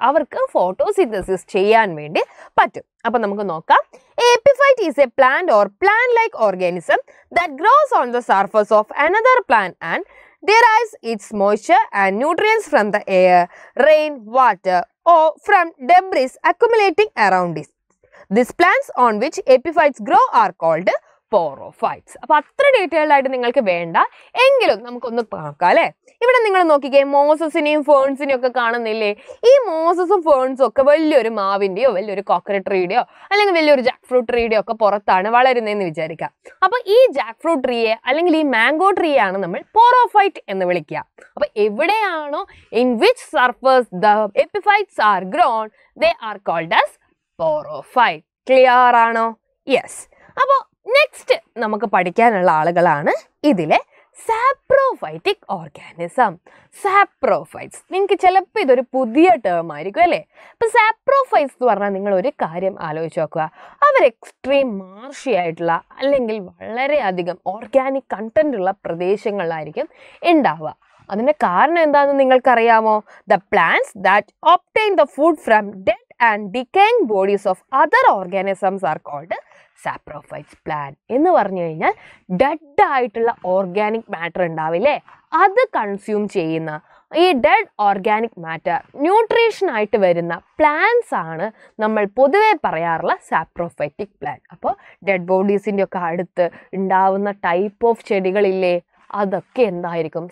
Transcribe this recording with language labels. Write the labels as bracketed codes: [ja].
[ml] അവർക്ക് ഫോട്ടോസിന്തസിസ് ചെയ്യാൻ വേണ്ടി പറ്റും. അപ്പം നമുക്ക് നോക്കാം. [en] Epiphyte is a plant or plant like organism that grows on the surface of another plant and derives its moisture and nutrients from the air, rain water or from debris accumulating around it. These plants on which epiphytes grow are called porophytes. [ml] അപ്പൊ അത്ര detailed ആയിട്ട് നിങ്ങൾക്ക് വേണ്ട എങ്കിലും നമുക്കൊന്ന് നോക്കാം അല്ലേ. ഇവിടെ നിങ്ങൾ നോക്കിക്കേ, മോസസിനെയും ഫേൺസിനെയും ഒക്കെ കാണുന്നില്ലേ? ഈ മോസസും ഫേൺസും ഒക്കെ വലിയൊരു മാവിൻ്റെയോ വലിയൊരു കോക്കനട്ട് ട്രീയുടെയോ അല്ലെങ്കിൽ വലിയൊരു ജാക്ക് ഫ്രൂട്ട് ട്രീയുടെയോ ഒക്കെ പുറത്താണ് വളരുന്നതെന്ന് വിചാരിക്കുക. അപ്പൊ ഈ ജാക്ക് ഫ്രൂട്ട് ട്രീയെ അല്ലെങ്കിൽ ഈ മാംഗോ ട്രീയെ ആണ് നമ്മൾ പോറോഫൈറ്റ് എന്ന് വിളിക്കുക. അപ്പൊ എവിടെയാണോ [en] In which surface the epiphytes are grown, they are called as porophyte. Clear [ml] ആണോ? [en] Yes. [ml] അപ്പോൾ നെക്സ്റ്റ് നമുക്ക് പഠിക്കാനുള്ള ആളുകളാണ് ഇതിലെ സാപ്രോഫൈറ്റിക് ഓർഗാനിസം. സാപ്രോഫൈറ്റ്സ് നിങ്ങൾക്ക് ചിലപ്പോൾ ഇതൊരു പുതിയ ടേം ആയിരിക്കും അല്ലേ. അപ്പം സാപ്രോഫൈറ്റ്സ് എന്ന് പറഞ്ഞാൽ നിങ്ങൾ ഒരു കാര്യം ആലോചിച്ച് നോക്കുക, അവർ [en] extreme marshy [ml] ആയിട്ടുള്ള അല്ലെങ്കിൽ വളരെയധികം ഓർഗാനിക് കണ്ടന്റ് ഉള്ള പ്രദേശങ്ങളിലായിരിക്കും ഉണ്ടാവുക. അതിൻ്റെ കാരണം എന്താണെന്ന് നിങ്ങൾക്കറിയാമോ? [en] The plants that obtain the food from dead and decaying bodies of other organisms are called saprophytes plant. [ml] എന്ന് പറഞ്ഞു കഴിഞ്ഞാൽ ഡെഡ് ആയിട്ടുള്ള ഓർഗാനിക് മാറ്റർ ഉണ്ടാവില്ലേ, അത് കൺസ്യൂം ചെയ്യുന്ന ഈ ഡെഡ് ഓർഗാനിക് മാറ്റർ ന്യൂട്രീഷൻ ആയിട്ട് വരുന്ന പ്ലാന്റ്സ് ആണ് നമ്മൾ പൊതുവെ പറയാറുള്ള സാപ്രോഫൈറ്റിക് പ്ലാന്റ്. അപ്പോൾ ഡെഡ് ബോഡീസിൻ്റെ ഒക്കെ അടുത്ത് ഉണ്ടാവുന്ന [en] type of [ml] ചെടികളില്ലേ, അതൊക്കെ എന്തായിരിക്കും?